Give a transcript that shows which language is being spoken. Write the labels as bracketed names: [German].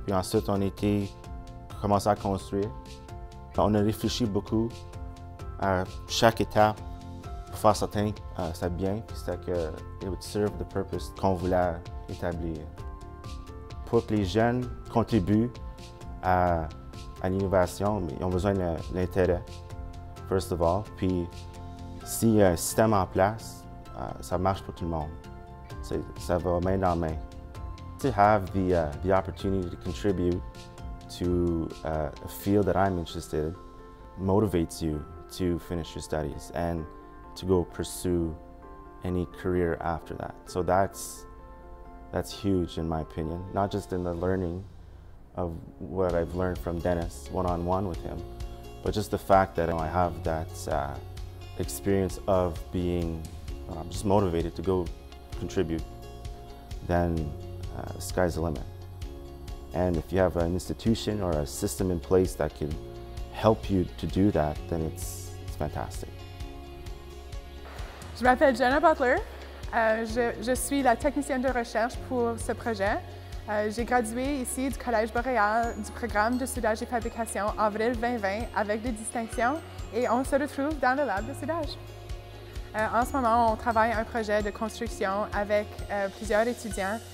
[French] Puis ensuite, on a commencé à construire. Puis on a réfléchi beaucoup à chaque étape pour faire certain que c'était bien, puis c'était que [English] it would serve the purpose [French] qu'on voulait établir. Pour que les jeunes contribuent à l'innovation, ils ont besoin de l'intérêt, [English] first of all. [French] Puis, s'il y a un système en place, ça marche pour tout le monde. Ça va main dans main. [English] To have the opportunity to contribute to a field that I'm interested in motivates you to finish your studies and to go pursue any career after that. So that's huge in my opinion, not just in the learning of what I've learned from Dennis one-on-one with him, but just the fact that, you know, I have that experience of being just motivated to go contribute, then the sky's the limit. And if you have an institution or a system in place that can help you to do that, then it's fantastic. [French] Je m'appelle Jenna Butler. Je suis la technicienne de recherche pour ce projet. J'ai gradué ici du Collège Boréal du programme de soudage et fabrication avril 2020 avec des distinctions et on se retrouve dans le lab de soudage. En ce moment, on travaille un projet de construction avec plusieurs étudiants.